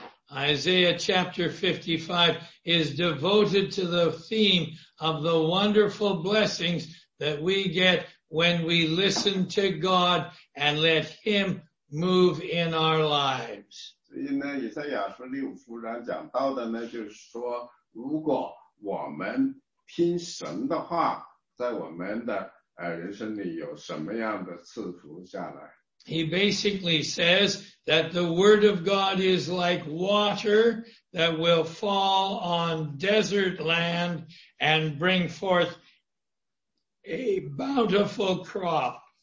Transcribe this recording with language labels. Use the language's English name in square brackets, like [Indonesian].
[English] Isaiah chapter 55 is devoted to the theme of the wonderful blessings that we get when we listen to God and let Him move in our lives. [Chinese] 所以呢，以赛亚书第五章讲到的呢，就是说，如果我们听神的话，在我们的人生里有什么样的赐福下来。 [English] He basically says that the word of God is like water that will fall on desert land and bring forth a bountiful crop.